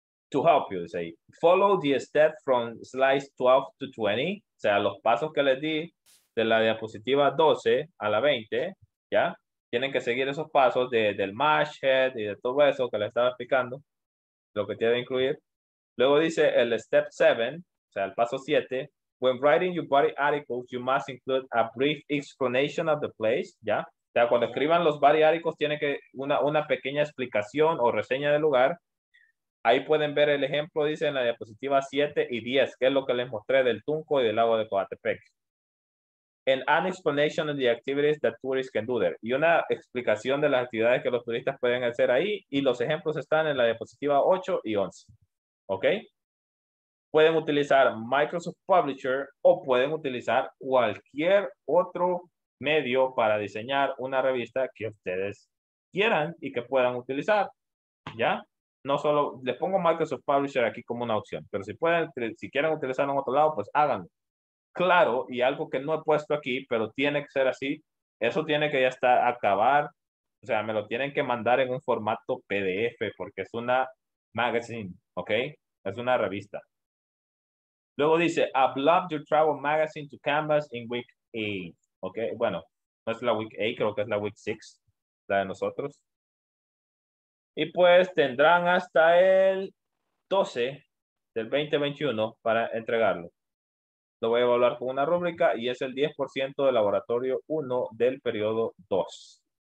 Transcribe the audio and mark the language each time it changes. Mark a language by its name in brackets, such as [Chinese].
[English] To help you, say. Follow the step from slides 12 to 20. [Spanish] O sea, los pasos que les di de la diapositiva 12 a la 20. ¿Ya? Tienen que seguir esos pasos del mashhead y de todo eso que les estaba explicando. Lo que tiene que incluir. Luego dice el step 7. O sea, el paso 7. [English] When writing your body articles, you must include a brief explanation of the place. [Spanish] ¿Ya? O sea, cuando escriban los body articles, tiene que una pequeña explicación o reseña del lugar. Ahí pueden ver el ejemplo, dice en la diapositiva 7 y 10, que es lo que les mostré del Tunco y del lago de Coatepec. [English] An explanation of the activities that tourists can do there. [Spanish] Y una explicación de las actividades que los turistas pueden hacer ahí. Y los ejemplos están en la diapositiva 8 y 11. ¿Ok? Pueden utilizar Microsoft Publisher o pueden utilizar cualquier otro medio para diseñar una revista que ustedes quieran y que puedan utilizar, ¿ya? No solo, les pongo Microsoft Publisher aquí como una opción, pero si quieren utilizarlo en otro lado, pues háganlo. Claro, y algo que no he puesto aquí, pero tiene que ser así, eso tiene que ya estar acabar, o sea, me lo tienen que mandar en un formato PDF, porque es una magazine, ¿ok? Es una revista. Luego dice, [English] upload your travel magazine to Canvas in week 8. [Spanish] Ok, bueno, no es la week 8, creo que es la week 6, la de nosotros. Y pues tendrán hasta el 12 del 2021 para entregarlo. Lo voy a evaluar con una rúbrica y es el 10% del laboratorio 1 del periodo 2.